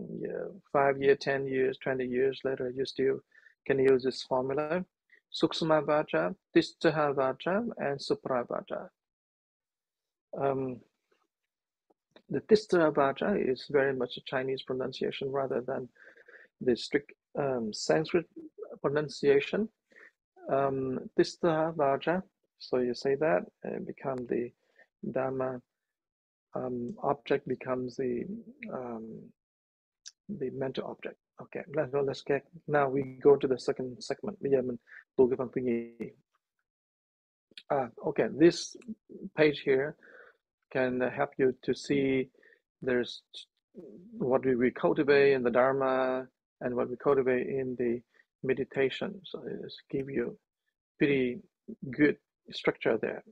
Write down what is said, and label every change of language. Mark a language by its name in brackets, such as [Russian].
[English] Yeah, 5 years, 10 years, 20 years later, you still can use this formula: Sukshma Vajra, Tistha Vajra, and Supra Vajra. The Tistha Vajra is very much a Chinese pronunciation rather than the strict Sanskrit pronunciation. Tistha Vajra. So you say that and become the Dharma. Object becomes the mental object. Okay, now we go to the second segment. [Vietnamese] Bây giờ mình tu cái phần thứ nhì. [English] Okay, this page here can help you to see there's what we cultivate in the Dharma and what we cultivate in the meditation. So it just give you pretty good structure there.